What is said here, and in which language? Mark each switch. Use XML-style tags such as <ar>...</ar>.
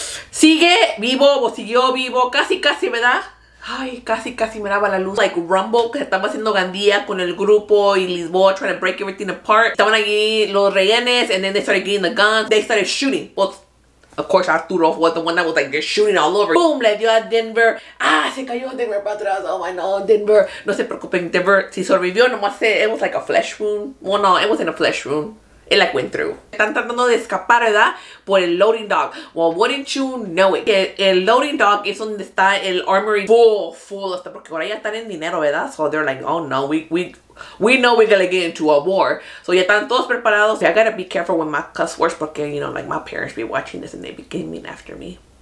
<es>Sigue vivo, o siguió vivo, casi, casi, ¿verdad? Ay, casi, casi me daba la luz.</es> <en>Like</en> <es>Rumble, que estaba haciendo Gandía con el grupo y Lisboa,</es> <en>trying to break everything apart.</en> <es>Estaban allí los rehenes,</es> <en>and then they started getting the guns. They started shooting. Well, of course, Arturo was the one that was like, they're shooting all over.</en> <es>Boom, le dio a Denver. Ah, se cayó Denver para atrás.</es> <en>Oh my God,</en> <es>Denver. No se preocupen, Denver, si sobrevivió, nomás se,</es> <en>it was like a flesh wound. Well, no, it wasn't a flesh wound. It like went through.</en> <es>Están tratando de escapar, ¿verdad? Por el</es> <en>loading dock. Well, wouldn't you know it?</en> <es>El loading dock es donde está el</es> <en>armory full.</en> <es>Hasta porque ahora ya están en dinero, ¿verdad?</es> <en>So they're like, oh no, we know we're gonna get into a war. So</en> <es>ya están todos preparados.</es> <en>I gotta be careful with my cuss words</en> <es>porque,</es> <en>you know, like my parents be watching this and they be gaming after me.</en>